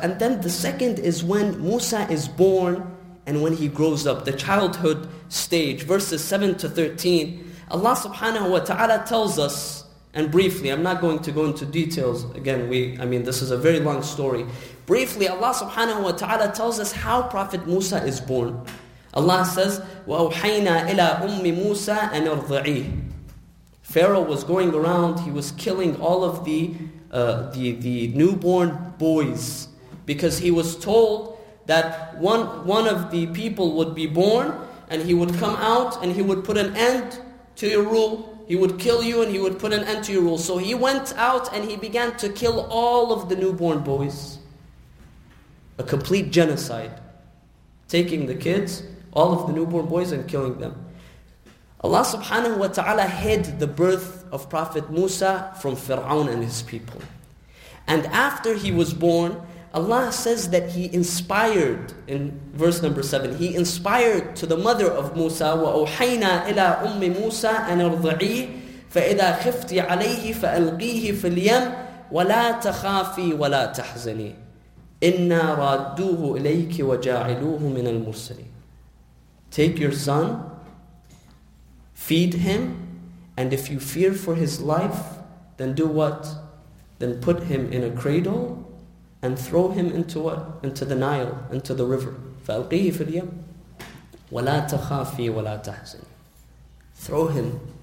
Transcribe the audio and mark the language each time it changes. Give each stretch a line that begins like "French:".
English: And then the second is when Musa is born and when he grows up, the childhood stage, verses 7 to 13. Allah subhanahu wa ta'ala tells us, and briefly, I'm not going to go into details, again, this is a very long story. Briefly, Allah subhanahu wa ta'ala tells us how Prophet Musa is born. Allah says,
Arabic: وَأَوْحَيْنَا إِلَىٰ أُمِّ مُوسَىٰ أَنْ أَرْضَعِيهِ.
English: Pharaoh was going around, he was killing all of the newborn boys, because he was told that one of the people would be born, and he would come out, and he would put an end to your rule. He would kill you and he would put an end to your rule. So he went out and he began to kill all of the newborn boys. A complete genocide. Taking the kids, all of the newborn boys, and killing them. Allah subhanahu wa ta'ala hid the birth of Prophet Musa from Fir'aun and his people. And after he was born, Allah says that He inspired, in verse number 7, He inspired to the mother of Musa,
Arabic: وَأَوْحَيْنَا إِلَىٰ أُمِّ مُوسَىٰ أَنْ أَرْضَعِيهِ فَإِذَا خِفْتِ عَلَيْهِ فَأَلْقِيهِ فِي الْيَمْ وَلَا تَخَافِي وَلَا تَحْزَنِي إِنَّا رَادُّوهُ إِلَيْكِ وَجَاعِلُوهُ مِنَ الْمُرْسَلِينَ.
English: Take your son, feed him, and if you fear for his life, then do what? Then put him in a cradle, and throw him into what? Into the Nile, into the river.
Arabic: فَأَلْقِيهِ فِي الْيَمْ وَلَا تَخَافِي وَلَا تَحْزِنِ.
English: Throw him.